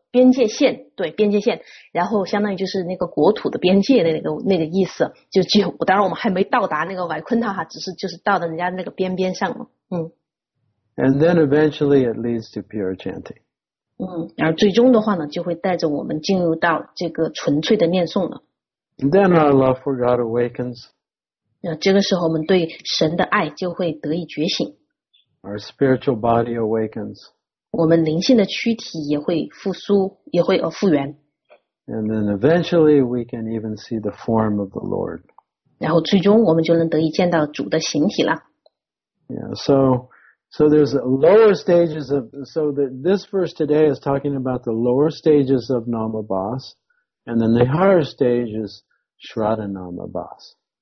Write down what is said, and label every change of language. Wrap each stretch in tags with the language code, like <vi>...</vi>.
<zh>边界线，对，边界线，然后相当于就是那个国土的边界的那个意思，就当然我们还没到达那个 Vaikuntha 哈，只是就是到了人家那个边边上嘛。</zh> <en>And then eventually it leads to pure chanting.</en> <zh>然后最终的话呢，就会带着我们进入到这个纯粹的念诵了。</zh> <en>And then our love for God awakens.</en> <zh>这个时候我们对神的爱就会得以觉醒。</zh> <en>Our spiritual body awakens.</en> <zh>我们灵性的躯体也会复苏，也会复原。</zh> <en>And then eventually we can even see the form of the Lord.</en> <zh>然后最终我们就能得以见到主的形体了。</zh> <en>Yeah, so there's lower stages of, so that this verse today is talking about the lower stages of Nama Bas, and then the higher stage is Shraddha Nama Bas.</en>